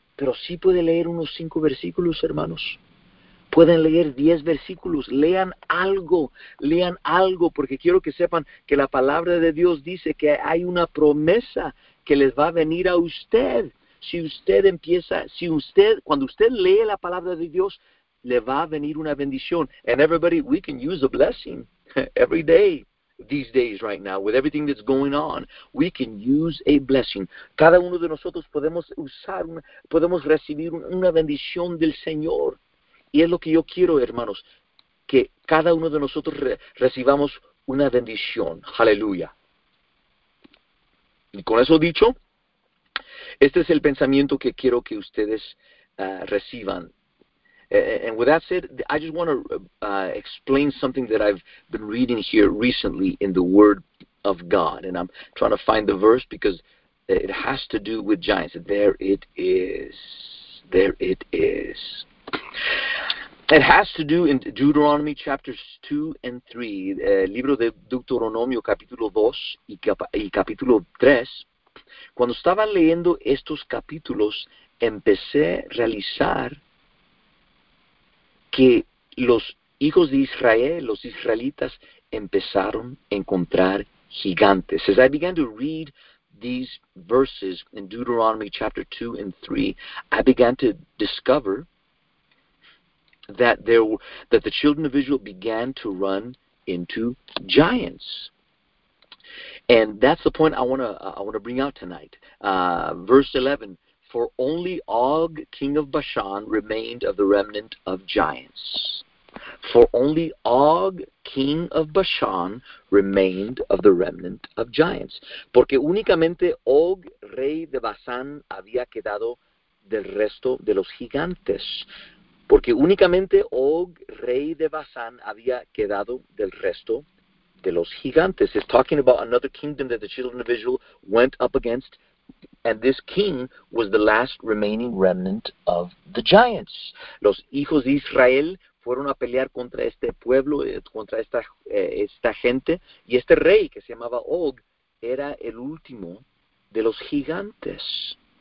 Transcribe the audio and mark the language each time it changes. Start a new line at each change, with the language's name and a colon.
Spanish: pero sí puede leer unos 5 versículos, hermanos. Pueden leer 10 versículos, lean algo, porque quiero que sepan que la palabra de Dios dice que hay una promesa que les va a venir a usted. Si usted empieza, si usted, cuando usted lee la palabra de Dios, le va a venir una bendición.
English: And everybody, we can use a blessing every day, these days right now, with everything that's going on. We can use a blessing.
Spanish: Cada uno de nosotros podemos usar, podemos recibir una bendición del Señor. Y es lo que yo quiero, hermanos, que cada uno de nosotros recibamos una bendición. ¡Aleluya! Y con eso dicho, este es el pensamiento que quiero que ustedes reciban.
English: And with that said, I just want to explain something that I've been reading here recently in the Word of God. And I'm trying to find the verse because it has to do with giants. There it is. There it is. It has to do in Deuteronomy chapters 2 and 3,
Spanish: libro de Deuteronomio capítulo 2 y capítulo 3. Cuando estaba leyendo estos capítulos, empecé a realizar que los hijos de Israel, los israelitas, empezaron a encontrar gigantes.
English: As I began to read these verses in Deuteronomy chapter 2 and 3, I began to discover that the children of Israel began to run into giants. And that's the point I want to bring out tonight. Verse 11, for only Og, king of Bashan, remained of the remnant of giants. For only Og, king of Bashan, remained of the remnant of giants.
Spanish: Porque únicamente Og, rey de Basán, había quedado del resto de los gigantes. Porque únicamente Og, rey de Basán, había quedado del resto de los gigantes.
English: It's talking about another kingdom that the children of Israel went up against. And this king was the last remaining remnant of the giants.
Spanish: Los hijos de Israel fueron a pelear contra este pueblo, contra esta gente. Y este rey, que se llamaba Og, era el último de los gigantes.